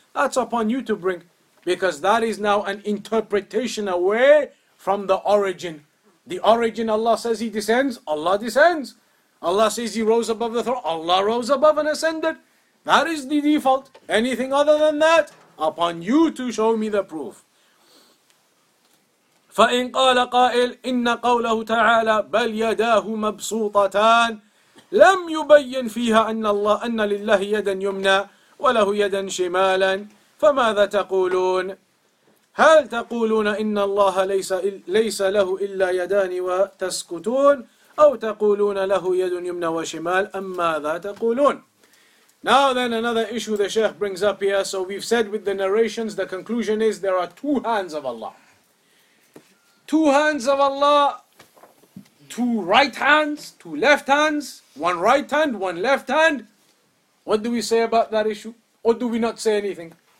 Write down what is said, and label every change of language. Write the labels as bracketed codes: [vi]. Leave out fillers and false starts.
[en] That's upon you to bring, because that is now an interpretation away from the origin. The origin, Allah says He descends, Allah descends. Allah says He rose above the throne, Allah rose above and ascended. That is the default. Anything other than that, upon you to show me the proof. [ar] فإن قال قائل إن قوله تعالى بل يداه مبسوطتان لم يبين فيها أن الله أن لله يدا يمنى وله يدا شمالا فماذا تقولون؟ هل تقولون إن الله ليس له إلا يدان وتسكتون أو تقولون له يد يمنى وشمال أم ماذا تقولون؟ [en] Now then, another issue the Sheikh brings up here. So we've said with the narrations, the conclusion is there are two hands of Allah. Two hands of Allah, two right hands, two left hands, one right hand, one left hand. What do we say about that issue? Or do we not say anything?